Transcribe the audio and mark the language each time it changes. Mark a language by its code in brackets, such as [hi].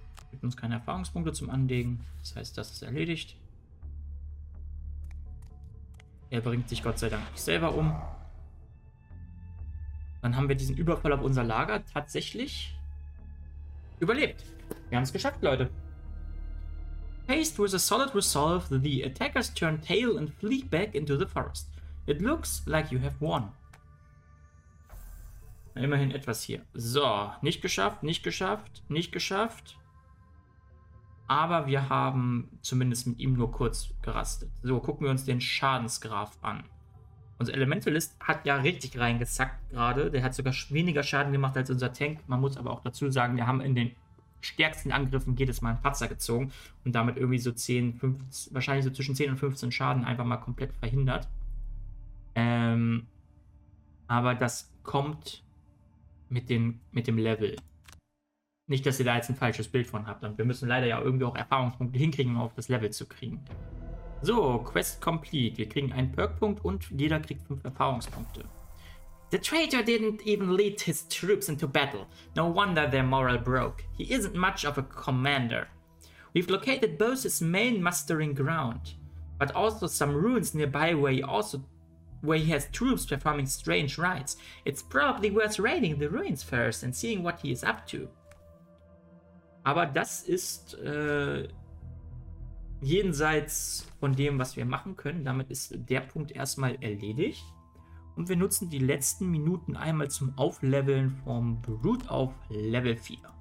[de] Gibt uns keine Erfahrungspunkte zum Anlegen. Das heißt, das ist erledigt. Er bringt sich Gott sei Dank nicht selber um. Dann haben wir diesen Überfall auf unser Lager tatsächlich überlebt. Wir haben es geschafft, Leute. [en] Faced with a solid resolve, the attackers turn tail and flee back into the forest. It looks like you have won. [de] Immerhin etwas hier. So, nicht geschafft, nicht geschafft, nicht geschafft. Aber wir haben zumindest mit ihm nur kurz gerastet. So, gucken wir uns den Schadensgraf an. Unser Elementalist hat ja richtig reingezackt gerade. Der hat sogar weniger Schaden gemacht als unser Tank. Man muss aber auch dazu sagen, wir haben in den stärksten Angriffen jedes Mal einen Patzer gezogen und damit irgendwie so 10, 15, wahrscheinlich so zwischen 10 und 15 Schaden einfach mal komplett verhindert. Aber das kommt mit dem Level. Nicht, dass ihr da jetzt ein falsches Bild von habt. Und wir müssen leider ja irgendwie auch Erfahrungspunkte hinkriegen, um auf das Level zu kriegen. So, [en] Quest complete. [de] Wir kriegen einen Perkpunkt und jeder kriegt 5 Erfahrungspunkte. [en] The traitor didn't even lead his troops into battle. No wonder their morale broke. He isn't much of a commander. We've located both his main mustering ground, but also some ruins nearby where he has troops performing strange rites. It's probably worth raiding the ruins first and seeing what he is up to. [de] Aber das ist jenseits von dem, was wir machen können. Damit ist der Punkt erstmal erledigt. Und wir nutzen die letzten Minuten einmal zum Aufleveln vom Brute auf Level 4.